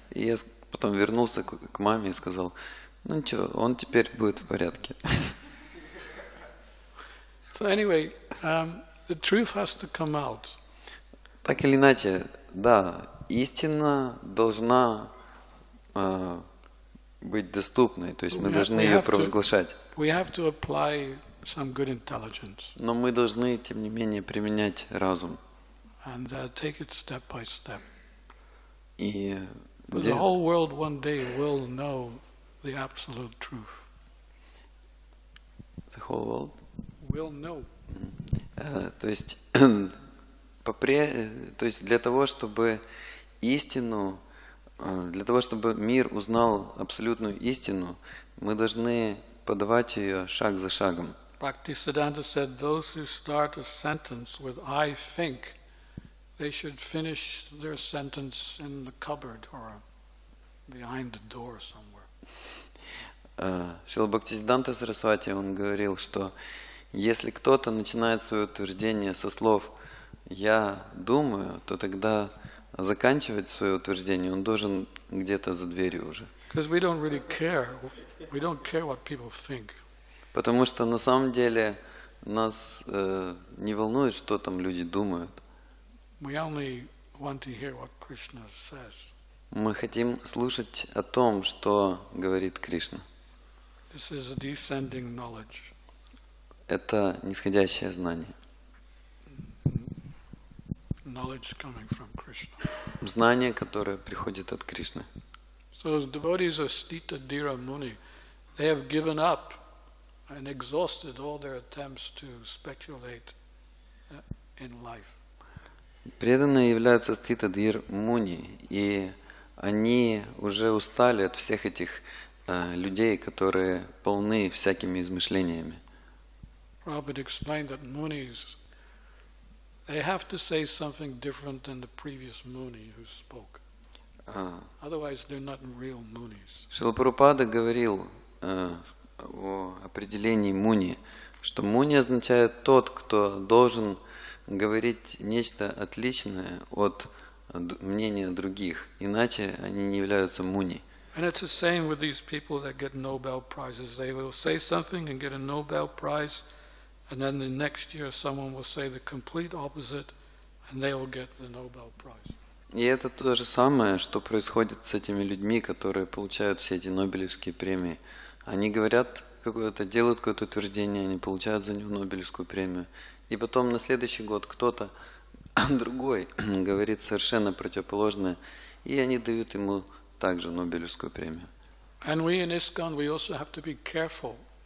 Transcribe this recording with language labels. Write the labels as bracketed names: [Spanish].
[Russian] И я потом вернулся к маме и сказал: "Ничего, он теперь будет в порядке." [English] So anyway, the truth has to come out. [Russian] Так или иначе, да, истина должна быть доступной, то есть мы должны ее провозглашать. [English] We have to apply some good intelligence. [Russian] Но мы должны, тем не менее, применять разум. [English] And take it step by step. [Russian] И [English] the whole world one day will know the absolute truth. The whole world will know. [Russian] То есть то есть для того, чтобы истину, для того, чтобы мир узнал абсолютную истину, мы должны подавать ее шаг за шагом. [English] Bhaktisiddhanta said, those who start a sentence with "I think," they should finish their sentence in the cupboard or behind the door somewhere. [Russian] Шрила Бхактисиддханта Сарасвати, он говорил, что если кто-то начинает свое утверждение со слов «я думаю», то тогда заканчивать свое утверждение он должен где-то за дверью уже. [English] Because we don't really care. We don't care what people think. [Russian] Потому что на самом деле нас не волнует, что там люди думают. [English] We only want to hear what Krishna says. [Russian] Мы хотим слушать о том, что говорит Кришна. [English] This is a descending knowledge. [Russian] Это нисходящее знание. [English] Knowledge coming from Krishna. [Russian] Знание, которое приходит от Кришны. [English] So the devotees of Sthita Dhira Muni, they have given up and exhausted all their attempts to speculate in life. [Russian] Преданные являются Sthita Dhira Muni, и они уже устали от всех этих людей, которые полны всякими измышлениями. [English] Prabhupada explained that munis, they have to say something different than the previous muni who spoke. Otherwise, they're not real munis. [Russian] Шрила Прабхупада говорил о определении муни, что муни означает тот, кто должен говорить нечто отличное от мнения других, иначе они не являются муни. [English] And it's the same with these people that get Nobel prizes. They will say something and get a Nobel prize, and then the next year someone will say the complete opposite, and they will get the Nobel prize. [Russian] И это то же самое, что происходит с этими людьми, которые получают все эти Нобелевские премии. Они говорят какое-то, делают какое-то утверждение, они получают за него Нобелевскую премию. И потом на следующий год кто-то другой говорит совершенно противоположное, и они дают ему также Нобелевскую премию. [English] And we in ISKCON, we also have to be careful.